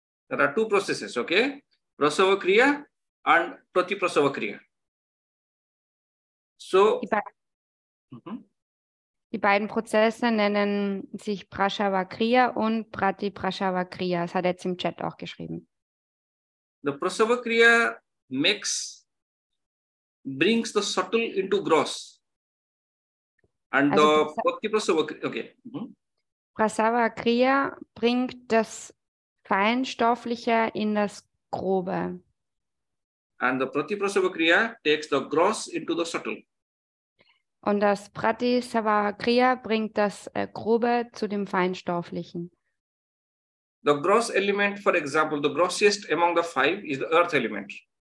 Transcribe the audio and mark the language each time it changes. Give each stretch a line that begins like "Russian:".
English: There are two processes, okay? Prasava Kriya and Pratiprasava Kriya. So,
German: die beiden Prozesse nennen sich Prasava Kriya und Pratiprasava Kriya. Das hat er jetzt im Chat auch geschrieben.
English: The Prasava Kriya brings the subtle into gross. And also the Pratiprasava Kriya, okay.
German: Mm-hmm. Prasava Kriya bringt das Feinstoffliche in das Grobe.
English: And the Pratiprasava Kriya takes the gross into the subtle.
German: Und das Pratiprasava Kriya bringt das Grobe zu dem Feinstofflichen.
English: The gross element, for example, the grossest among the five is the earth element.